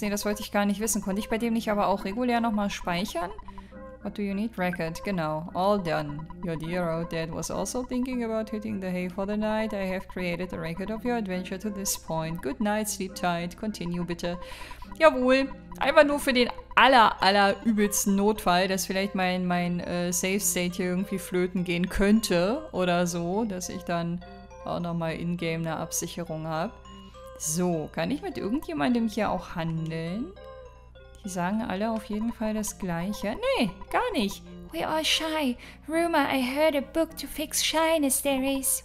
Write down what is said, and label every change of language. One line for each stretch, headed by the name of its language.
German: Nee, das wollte ich gar nicht wissen. Konnte ich bei dem nicht aber auch regulär nochmal speichern?
English: What do you need? Racket.
German: Genau.
English: All done. Your dear old dad was also thinking about hitting the hay for the night. I have created the racket of your adventure to this point. Good night, sleep tight. Continue,
German: bitte. Jawohl. Einfach nur für den aller übelsten Notfall, dass vielleicht mein Safe State hier irgendwie flöten gehen könnte oder so, dass ich dann auch nochmal in-game eine Absicherung habe. So, kann ich mit irgendjemandem hier auch handeln? Die sagen alle auf jeden Fall das Gleiche. Nee, gar nicht.
English: We are shy. Rumor, I heard a book to fix shyness there is.